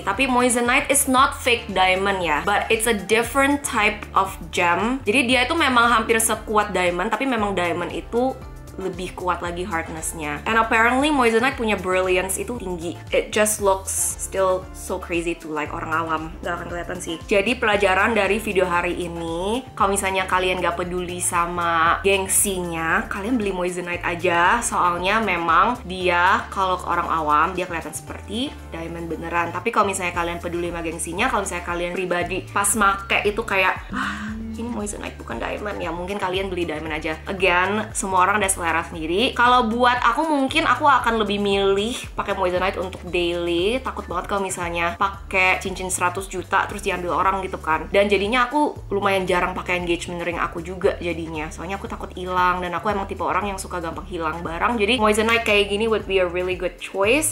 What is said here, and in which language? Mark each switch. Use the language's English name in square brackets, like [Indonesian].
[English] Tapi moissanite is not fake diamond ya, but it's a different type of gem. [Indonesian] Jadi dia itu memang hampir sekuat diamond, tapi memang diamond itu lebih kuat lagi hardness-nya. [English] And apparently moissanite [Indonesian] punya [English] brilliance [Indonesian] itu tinggi. [English] It just looks still so crazy to like [Indonesian] orang awam. Gak akan kelihatan sih. Jadi pelajaran dari video hari ini, kalau misalnya kalian gak peduli sama gengsinya, kalian beli moissanite aja. Soalnya memang dia kalau ke orang awam, dia kelihatan seperti diamond beneran. Tapi kalau misalnya kalian peduli sama gengsinya, kalau misalnya kalian pribadi pas make itu kayak ini moissanite bukan diamond, ya mungkin kalian beli diamond aja. Again, semua orang ada selera sendiri. Kalau buat aku mungkin aku akan lebih milih pakai moissanite untuk daily. Takut banget kalau misalnya pakai cincin 100 juta terus diambil orang gitu kan. Dan jadinya aku lumayan jarang pakai engagement ring aku juga jadinya. Soalnya aku takut hilang dan aku emang tipe orang yang suka gampang hilang barang. Jadi moissanite kayak gini [English] would be a really good choice.